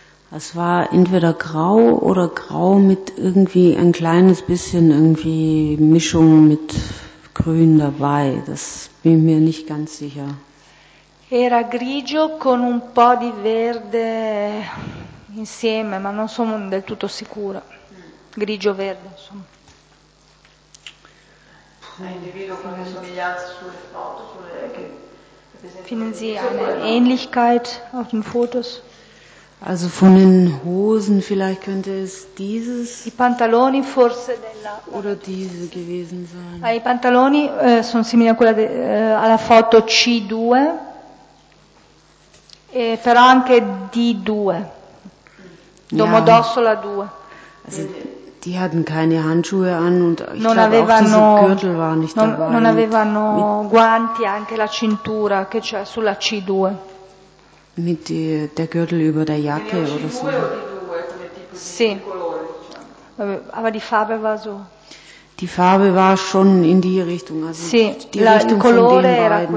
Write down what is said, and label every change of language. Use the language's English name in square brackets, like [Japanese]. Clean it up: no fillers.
[German] Es war entweder grau oder grau mit irgendwie ein kleines bisschen irgendwie Mischung mit Grün dabei. Das bin mir nicht ganz sicher. [Italian] Era grigio con un po' di verde insieme, ma non sono del tutto sicura. Grigio verde, insomma. Ha individuo con le somiglianze sulle foto, sulle. [German] Finden Sie eine Ähnlichkeit auf den Fotos? Also von den Hosen vielleicht könnte es dieses [Italian] I pantaloni forse della [German] oder diese gewesen sein. [Italian] I pantaloni sono simili a quella alla foto C2 e però anche D2. Domodossola 2. [German] Also, die hatten keine Handschuhe an und ich glaube auch avevano, diese Gürtel war nicht [Italian] non, [German] dabei. [Italian] Non avevano guanti, anche la cintura che c'è sulla C2. [German] Mit die, der Gürtel über der Jacke oder so. [Italian] Sì. [German] Sì. Aber die Farbe war so. Die Farbe war schon in die Richtung, also [Italian] sì, [German] die la, Richtung von den beiden.